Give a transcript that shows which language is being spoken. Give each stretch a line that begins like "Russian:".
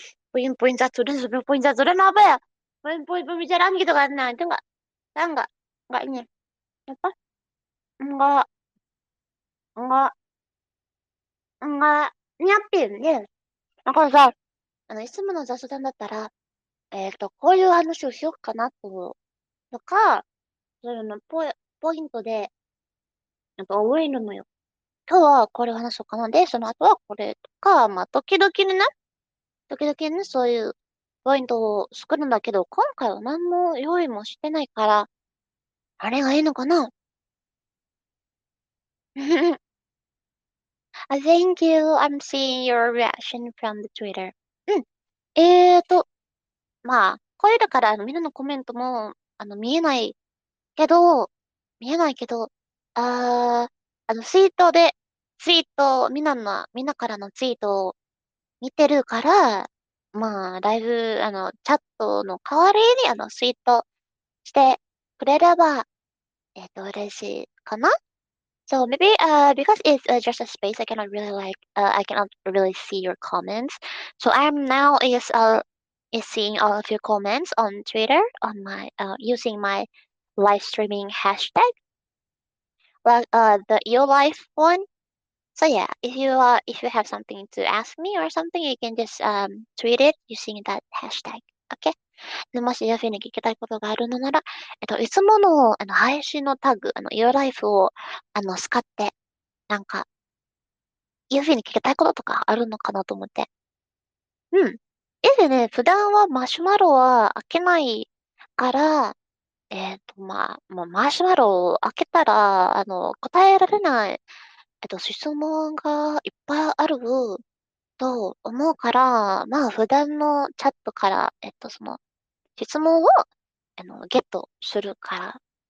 Indonesian: Poin-poin satu dan sebelum poin satu dan apa ya? Poin-poin pembicaraan gitu kan? Nah itu nggak ini apa? Nggak nyiapin ya? Yeah. Aku sa
Japanese: いつもの雑談だったら、こういう話をしようかなと、とか、そういうの、ポイントで、なんか覚えるのよ。今日はこれを話そうかな。で、その後はこれとか、まあ、時々にね、時々にそういうポイントを作るんだけど、今回は何も用意もしてないから、あれがいいのかな？
English: Thank you. I'm seeing your reaction from the Twitter.
Japanese: まあ、声だからみんなのコメントも、見えないけど、見えないけど、ツイートで、ツイート、みんなからのツイートを見てるから、まあ、だいぶ、チャットの代わりに、ツイートしてくれれば、嬉しいかな？
English: So maybe, because it's just a space, I cannot really like, I cannot really see your comments. So I'm now is seeing all of your comments on Twitter on my using my live streaming hashtag, like the Your Life one. So yeah, if you have something to ask me or something, you can just tweet it using that hashtag. Okay?
Japanese: で、もし、ヨフィに聞きたいことがあるのなら、いつもの、配信のタグ、Your Life を、使って、なんか、ヨフィに聞きたいこととかあるのかなと思って。でね、普段はマシュマロは開けないから、マシュマロを開けたら、答えられない、質問がいっぱいあると思うから、まあ、普段のチャットから、質問を、ゲットするから。